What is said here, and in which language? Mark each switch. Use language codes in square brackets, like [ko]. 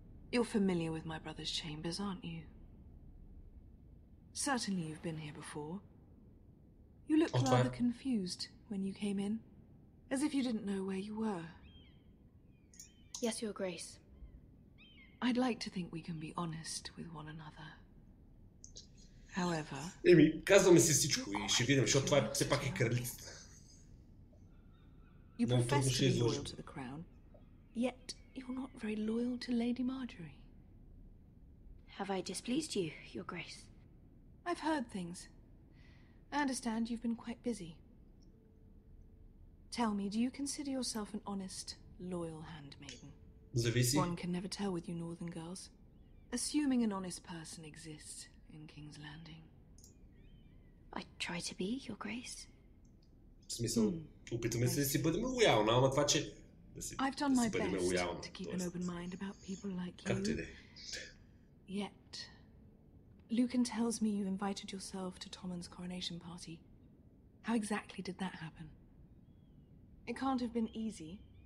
[en] You're familiar with my brother's chambers, aren't you? Certainly you've been here before. You looked rather confused when you came in, as if you didn't know where you were. Yes, Your Grace. I'd like to think we can be honest with one another. However, [bg] Еми, казваме си всичко и ще видим, защото това все пак е кралицата. [en] You profess to be loyal to the crown, yet you're not very loyal to Lady Marjorie. Have I displeased you, Your Grace? I've heard things. I understand you've been quite busy. Tell me, do you consider yourself an honest, loyal handmaiden? [bg] Зависи. [en] One can never tell with you northern girls. Assuming an honest person exists in King's Landing. I try to be, Your Grace. [bg] В смисъл, опитаме се да си бъдем лоялна, ама това, че... [en] I've done my best to keep an open mind about people like you. [bg] Както и да е. [en] Yet, Lucan tells me you invited yourself to Tommen's coronation party. How exactly did that happen? It can't have been easy.